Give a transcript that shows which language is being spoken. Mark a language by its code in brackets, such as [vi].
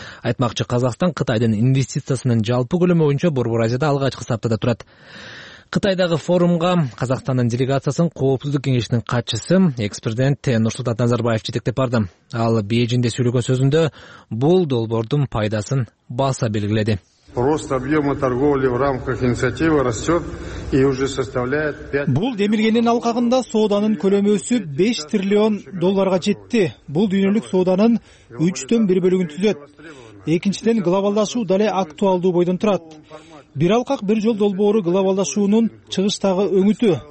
[ky] Айтмакчы, Казакстан Кытайдын инвестициясынын жалпы көлөмү боюнча Борбор Азияда алгачкы саптада турат. Кытайдагы форумга Казакстандын делегациясын Коопсуздук кеңешинин катчысы экс-президент Нурсултан Назарбаев жетектеп барды. Ал Бээжинде сүйлөгөн сөзүндө бул долбоордун пайдасын баса белгиледи. [ru] Рост объема торговли в рамках инициативы растет и уже составляет 5. [ky] Бул демилгенин алкагында сооданын көлөмү өсүп 5 триллион долларга жетти. Бул дүйнөлүк сооданын 3/3 бөлүгүн түзөт. Экинчиден, глобалдашуу дале актуалдуу бойдон турат. Бир алкак бир жол долбоору глобалдашуунун чыгыштагы өңүтү.